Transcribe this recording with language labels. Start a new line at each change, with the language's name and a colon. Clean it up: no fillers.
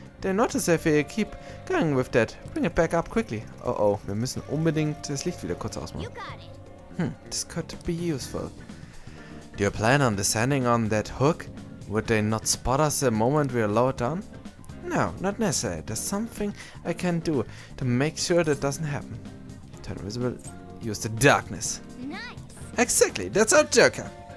English: They notice if you keep going with that. Bring it back up quickly.
German: Oh oh, wir müssen unbedingt das Licht wieder kurz ausmachen.
English: Hm, this could be useful. Do you plan on descending on that hook? Would they not spot us the moment we are lowered down? No, not necessary. There's something I can do to make sure that doesn't happen. Turn invisible. Use the darkness. Nice. Exactly, that's our Joker.